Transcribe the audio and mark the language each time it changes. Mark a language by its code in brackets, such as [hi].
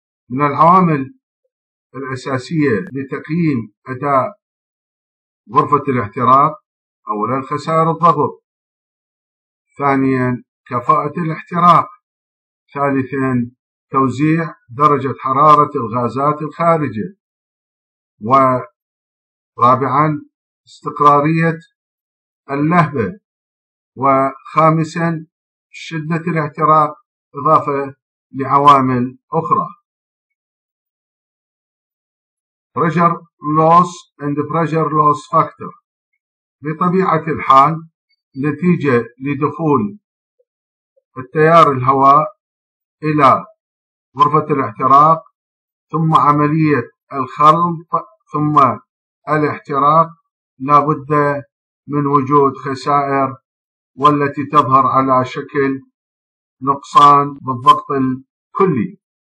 [ar] من العوامل الأساسية لتقييم أداء غرفة الاحتراق أولا خسائر الضغط، ثانيا كفاءة الاحتراق، ثالثا توزيع درجة حرارة الغازات الخارجية، ورابعا استقرارية اللهبة، وخامسا شدة الاحتراق إضافة لعوامل أخرى. [en] Pressure loss and pressure loss factor. [ar] بطبيعة الحال نتيجة لدخول التيار الهواء إلى غرفة الاحتراق ثم عملية الخلط ثم الاحتراق، لا بد من وجود خسائر، والتي تظهر على شكل نقصان بالضغط الكلي.